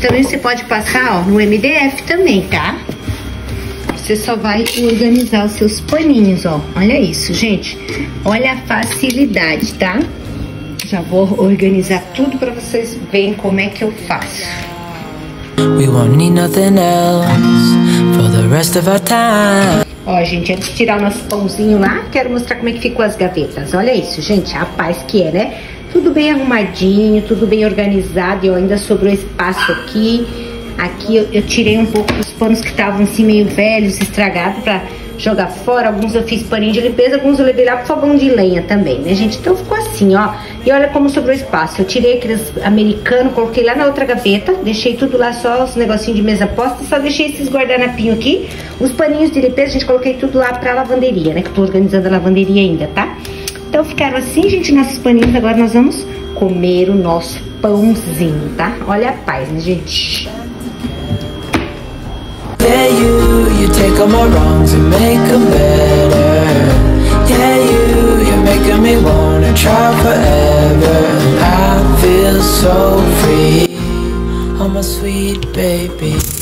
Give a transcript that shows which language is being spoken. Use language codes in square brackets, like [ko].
[pt] Também você pode passar, ó, no MDF também, tá? Você só vai organizar os seus paninhos, ó. Olha isso, gente. Olha a facilidade, tá? Já vou organizar tudo pra vocês verem como é que eu faço. [en] We won't need nothing else for the rest of our time. [pt] Ó, gente, antes de tirar o nosso pãozinho lá, quero mostrar como é que ficou as gavetas. Olha isso, gente, a paz que é, né? Tudo bem arrumadinho, tudo bem organizado. E ó, ainda sobrou espaço aqui. Aqui eu tirei um pouco os panos que estavam assim meio velhos, estragados, pra jogar fora. Alguns eu fiz paninho de limpeza, alguns eu levei lá pro fogão de lenha também, né, gente? Então ficou assim, ó. E olha como sobrou espaço. Eu tirei aqueles americanos, coloquei lá na outra gaveta. Deixei tudo lá, só os negocinhos de mesa posta. Só deixei esses guardanapinhos aqui. Os paninhos de limpeza, a gente coloquei tudo lá pra lavanderia, né? Que eu tô organizando a lavanderia ainda, tá? Então ficaram assim, gente, nossos paninhos. Agora nós vamos comer o nosso pãozinho, tá? Olha a paz, né, gente? [en] Yeah, you take all my wrongs and make them better. Yeah, you're making me wanna try forever. I feel so free, oh my sweet baby.